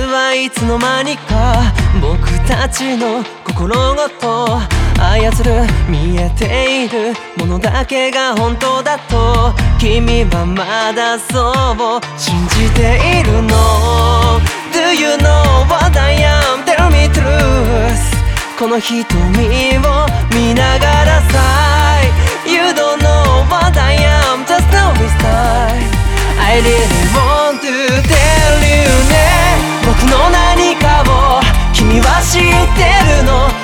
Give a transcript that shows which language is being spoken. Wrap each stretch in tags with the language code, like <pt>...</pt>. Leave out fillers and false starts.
<ja>はいつの間にか僕たちの心ごと操る。見えているものだけが本当だと君はまだそう信じているの。</ja> <en>Do you know what I am? Tell me truth。</en> <ja>この瞳を見ながらさ、</ja> <en>You don't know what I am? Just tell me time。 I really want to tell you ね。</en> <ja>僕の何かを君は知ってるの。</ja>